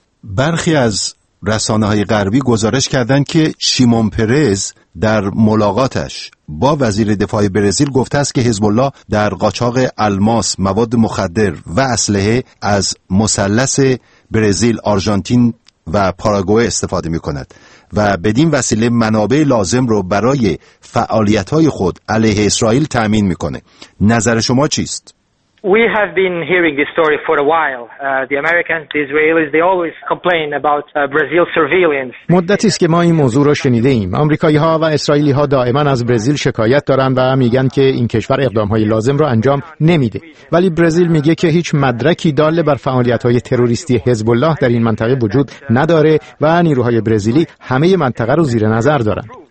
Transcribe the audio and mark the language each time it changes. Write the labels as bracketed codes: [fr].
[fa] برخی از رسانه‌های غربی گزارش کردند که شیمون پرز در ملاقاتش با وزیر دفاع برزیل گفته است که حزب الله در قاچاق الماس، مواد مخدر و اسلحه از مثلث برزیل، آرژانتین و پاراگوئه استفاده می‌کند و بدین وسیله منابع لازم را برای فعالیت‌های خود علیه اسرائیل تأمین می‌کند. نظر شما چیست؟ [en] We have been hearing this story for a while. The Americans, the Israelis, they always complain about Brazil surveillance. [fa] مدتی است که ما این موضوع را شنیده ایم. آمریکایی‌ها و اسرائیلی‌ها دائما از برزیل شکایت دارند و میگن که این کشور اقدام‌های لازم را انجام نمیده. ولی برزیل میگه که هیچ مدرکی دال بر فعالیت‌های تروریستی حزب الله در این منطقه وجود نداره و نیروهای برزیلی همه منطقه را زیر نظر دارند.